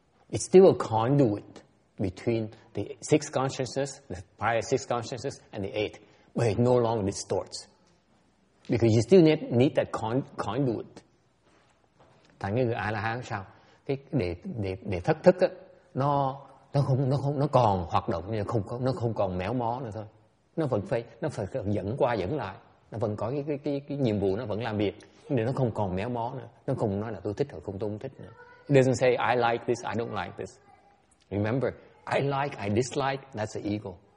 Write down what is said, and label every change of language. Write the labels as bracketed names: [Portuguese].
[English] It's still a conduit between the sixth consciousness, the prior sixth consciousness, and the eighth, but it no longer distorts. Because you still need that conduit. [Vietnamese] Thành như người A-la-hán sao? Cái để thất thức á, nó không nó còn hoạt động, nó không còn méo mó nữa thôi. Nó phải dẫn qua dẫn lại, nó vẫn có cái nhiệm vụ, nó vẫn làm việc. Nên nó không còn méo mó nữa. Nó không nói là tôi thích hoặc không tôi không thích nữa. [English] It doesn't say I like this, I don't like this. Remember, I like, I dislike, that's the ego.